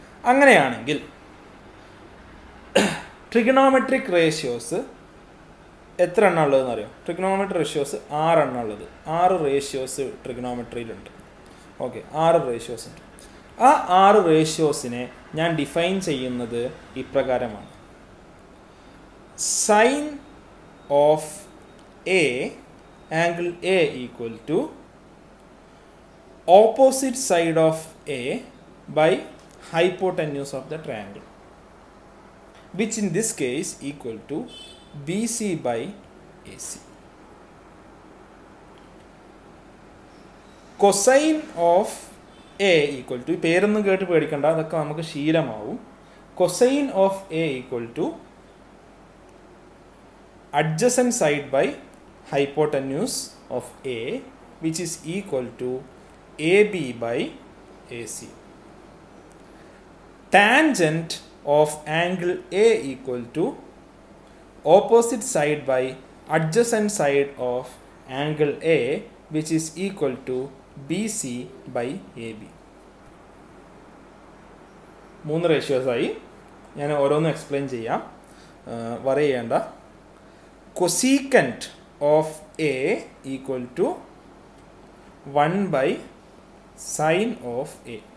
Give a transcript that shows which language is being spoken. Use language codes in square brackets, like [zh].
[ml] അങ്ങനെയാണെങ്കിൽ trigonometric ratios എത്ര എണ്ണം ഉള്ളതെന്ന് അറിയാം? ട്രിഗണോമെട്രിക് റേഷ്യോസ് 6 എണ്ണം ഉള്ളത്. 6 റേഷ്യോസ് ട്രിഗണോമെട്രിയിലുണ്ട്. ഓക്കെ, 6 റേഷ്യോസ് ഉണ്ട്. ആ 6 റേഷ്യോസിനെ ഞാൻ ഡിഫൈൻ ചെയ്യുന്നത് ഇപ്രകാരമാണ്. [en] Sine of A, angle A equal to opposite side of A by hypotenuse of the triangle, which in this case equal to BC by AC. Cosine of A equal to, [ml] പേരൊന്നും കേട്ട് പേടിക്കണ്ട, അതൊക്കെ നമുക്ക് ശീലമാവും. [en] Cosine of A equal to adjacent side by hypotenuse of A, which is equal to AB by AC. Tangent of angle A equal to opposite side by adjacent side of angle A, which is equal to BC by AB. [ml] മൂന്ന് ratios ആയി, ഞാൻ ഓരോന്നും explain ചെയ്യാം. Worry ചെയ്യേണ്ട. [en] Cosecant of A equal to 1 by sin of A.